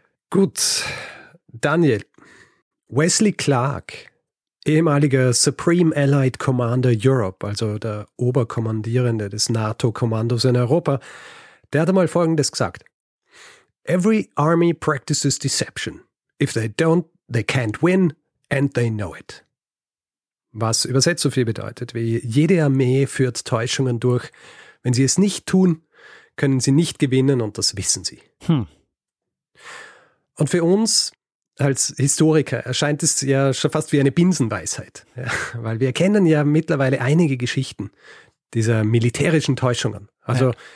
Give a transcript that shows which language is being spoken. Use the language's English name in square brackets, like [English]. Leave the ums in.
[German] Gut, Daniel. Wesley Clark, ehemaliger Supreme Allied Commander Europe, also der Oberkommandierende des NATO-Kommandos in Europa, der hat einmal Folgendes gesagt. [English] Every army practices deception. If they don't, they can't win and they know it. [German] Was übersetzt so viel bedeutet wie jede Armee führt Täuschungen durch. Wenn sie es nicht tun, können sie nicht gewinnen und das wissen sie. Hm. Und für uns als Historiker erscheint es ja schon fast wie eine Binsenweisheit, ja, weil wir kennen ja mittlerweile einige Geschichten dieser militärischen Täuschungen. Also ja.